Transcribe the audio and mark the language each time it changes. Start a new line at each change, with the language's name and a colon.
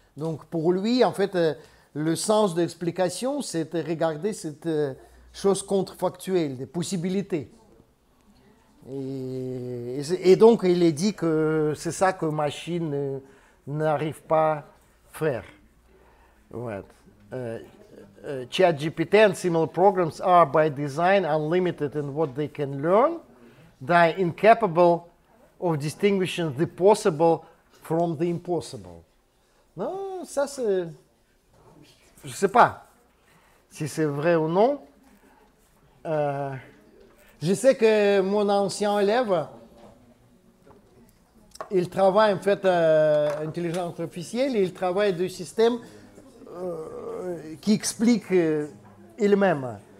French: Donc, pour lui, en fait, le sens de l'explication, c'est de regarder cette chose contrefactuelle, des possibilités. Et donc, il est dit que c'est ça que machine n'arrive pas à faire. Ouais.
English: ChatGPT and similar programs are by design unlimited in what they can learn. They are incapable of distinguishing the possible from the impossible.
French: Non, ça c'est... Je ne sais pas si c'est vrai ou non. Je sais que mon ancien élève, il travaille en fait à intelligence artificielle et il travaille de système qui explique il-même.